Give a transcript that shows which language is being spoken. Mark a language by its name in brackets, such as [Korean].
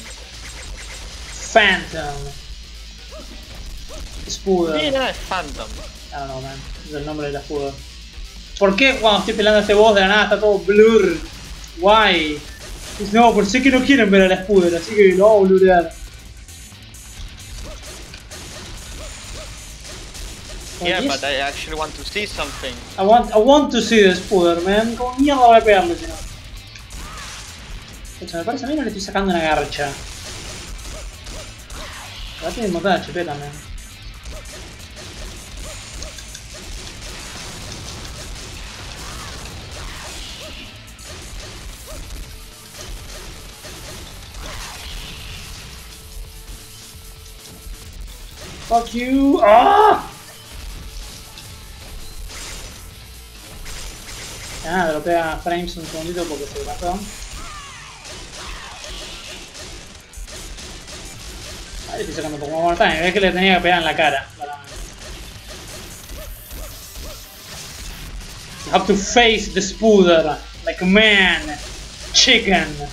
[English] Phantom. Spooder. [Spanish] Sí, no es Phantom. [English] I don't know, man. [Spanish] Es el nombre de la Spooder. ¿Por qué cuando estoy peleando a este boss de la nada está todo blur? [English] Why? [Spanish] No, por si es que no quieren ver a la Spooder, así que lo voy a blurear. [English] Yeah, but I actually want to see something. I want to see the Spooder, man. [Spanish] Como mierda voy a pegarle, si no. O sea, me parece a mí no le estoy sacando una garcha. Va a tener un montón de HP también. [English] Fuck you. ¡Ah! [Spanish] Ah, dropea frames un segundito porque se pasó. Ahí estoy sacando un poco más mortal, es que le tenía que pegar en la cara. [English] You have to face the Spooder like a man, chicken.